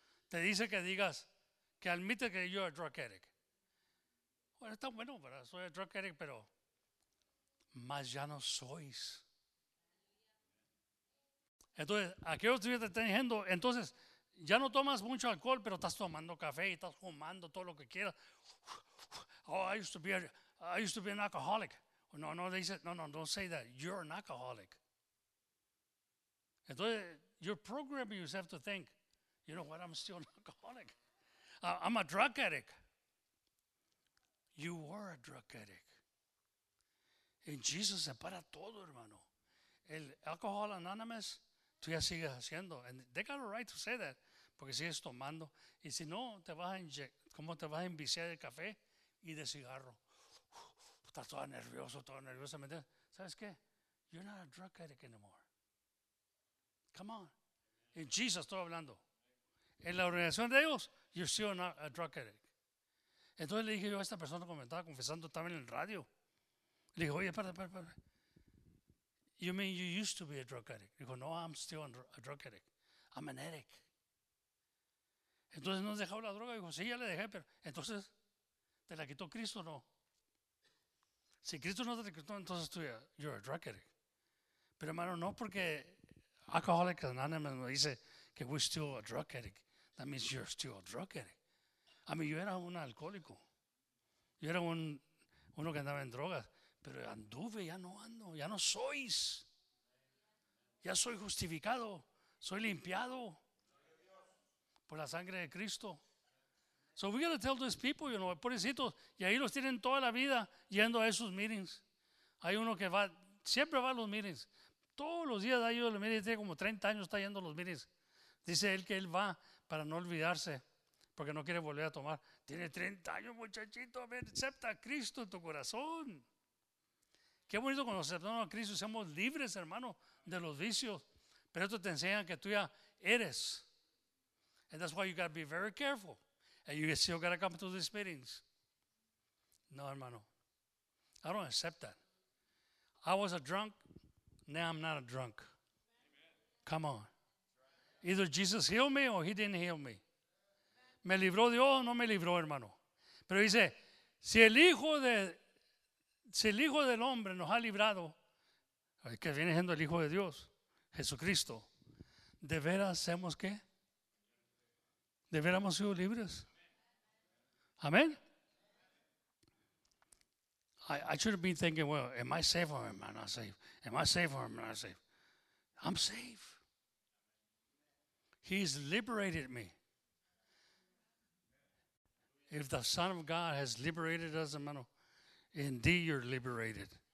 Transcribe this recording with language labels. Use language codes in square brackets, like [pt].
[es] Te dice que digas, que admite que [en] you're a drug addict. [es] Bueno, está bueno, ¿verdad? Soy el drug addict, pero más ya no sois. Entonces, aquellos que te están diciendo, entonces, ya no tomas mucho alcohol, pero estás tomando café y estás fumando todo lo que quieras. [en] Oh, I used to be an alcoholic. No, dices, no, say that. You're an alcoholic. Entonces, you're programming yourself to think, you know what, I'm still an alcoholic. I'm a drug addict. You are a drug addict. [es] En Jesús se para todo, hermano. El Alcohol Anonymous, tú ya sigues haciendo. [en] And they got a right to say that, [es] porque sigues tomando. Y si no, te vas a ¿cómo te vas a enviciar de café y de cigarro? Estás todo nervioso, todo nervioso. ¿Sabes qué? [en] You're not a drug addict anymore. Come on. [es] En Jesús estoy hablando. En la organización de ellos, [en] you're still not a drug addict. [es] Entonces le dije yo a esta persona que me estaba confesando, estaba en el radio. Le dije, oye, espera. [en] You mean you used to be a drug addict? [es] Dijo, no, [en] I'm still a drug addict. I'm an addict. [es] Entonces, ¿no has dejado la droga? Dijo, sí, ya le dejé, pero entonces, ¿te la quitó Cristo o no? Si Cristo no te la quitó, entonces tú ya, [en] you're a drug addict. [es] Pero hermano, no, porque Alcoholic Anonymous me dice que [en] we're still a drug addict. That means you're still a drug addict. [es] A mí, yo era un alcohólico. Yo era uno que andaba en drogas. Pero anduve, ya no ando. Ya no sois. Ya soy justificado. Soy limpiado por la sangre de Cristo. [en] So we got to tell these people, you know, pobrecitos. [es] Y ahí los tienen toda la vida yendo a esos meetings. Hay uno que va, siempre va a los meetings. Todos los días ha ido a los meetings. Tiene como 30 años, está yendo a los meetings. Dice él que él va para no olvidarse. Porque no quiere volver a tomar. Tiene 30 años, muchachito. Acepta a Cristo en tu corazón. Qué bonito cuando aceptamos a Cristo. Seamos libres, hermano, de los vicios. Pero esto te enseña que tú ya eres. [en] And that's why you got to be very careful. And you still got to come to these meetings. [es] No, hermano. [en] I don't accept that. I was a drunk. Now I'm not a drunk. Amen. Come on. Either Jesus healed me or he didn't heal me. [es] Me libró Dios o no me libró, hermano. Pero dice, si el hijo del hombre nos ha librado, que viene siendo el Hijo de Dios, Jesucristo, ¿de veras hemos qué? ¿De veras hemos sido libres? Amén. [en] I should have been thinking, well, am I safe or am I not safe? Am I safe or am I not safe? I'm safe. He's liberated me. If the Son of God has liberated us, hermano, indeed you're liberated.